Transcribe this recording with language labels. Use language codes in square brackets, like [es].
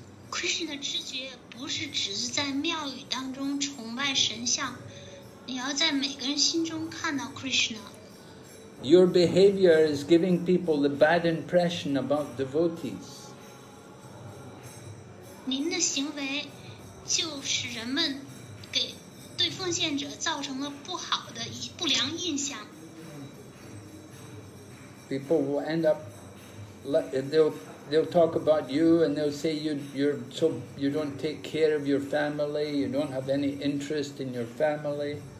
[zh] Krishna知觉不是只是在庙宇当中崇拜神像，你要在每个人心中看到Krishna. [en] Your behavior is giving people the bad impression about devotees. [zh] 您的行为就使人们给对奉献者造成了不好的不良印象。 [en] People will end up, they'll talk about you and they'll say you don't take care of your family, you don't have any interest in your family.